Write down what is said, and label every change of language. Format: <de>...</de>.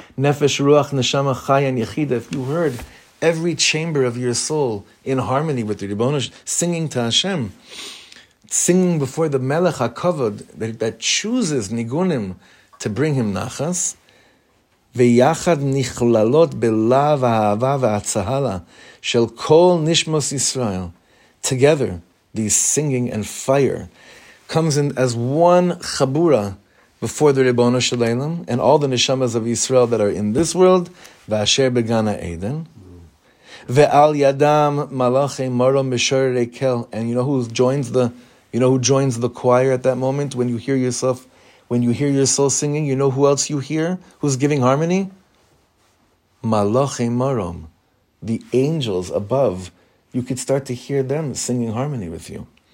<en>Nefesh, ruach, neshama, chaya, and yechida. If you heard every chamber of your soul in harmony with the Ribono Shel Olam, singing to Hashem, singing before the melech hakavod that chooses nigunim to bring him nachas, ויחד נכללות בלב האהבה והצהלה של כל נשמות ישראל. Together, the singing and fire comes in as one chabura before the Ribono Shel Olam and all the neshamas of Israel that are in this world, ואשר בגן העדן.</en> <he>ועל ידם מלאכי מרום משורר ריקל.</he> <en>And you know who joins the choir at that moment when you hear yourself? When you hear your soul singing, you know who else you hear? Who's giving harmony? Malachim Marom, the angels above. You could start to hear them singing harmony with you.</en>